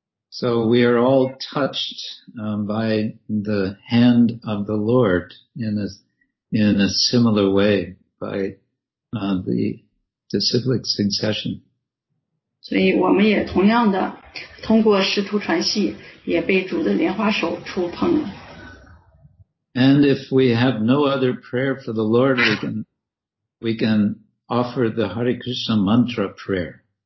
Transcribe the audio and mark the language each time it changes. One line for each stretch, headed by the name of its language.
English: So we are all touched by the hand of the Lord in a similar way by the disciplic succession.
Chinese: 所以我们也同样的通过师徒传系也被主的莲花手触碰了。And
English: if we have no other prayer for the Lord, we can offer the Hare Krishna mantra prayer.